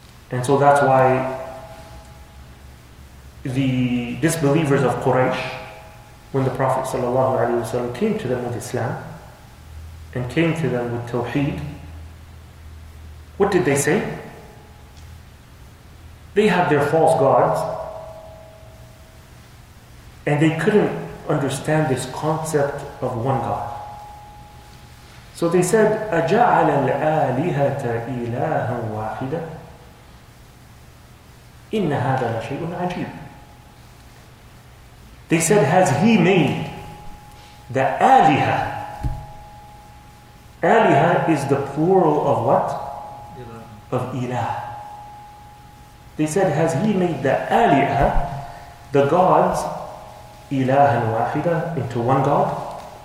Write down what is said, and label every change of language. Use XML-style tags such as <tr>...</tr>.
<en>And so that's why the disbelievers of Quraysh, when the Prophet ﷺ came to them with Islam and came to them with Tawheed, what did they say? They had their false gods, and they couldn't understand this concept of one God. So they said,</en> <ar>أَجَعَلَ الْآلِهَةَ إِلَهًا وَاحِدًا إِنَّ هَذَا لَشَيْءٌ عَجِيبٌ.</ar> <en>They said, has he made the Aliha? Aliha is the plural of what? Ilah. Of Ilah. They said, has he made the Aliha, the gods, Ilah and Wahida, into one God?</en>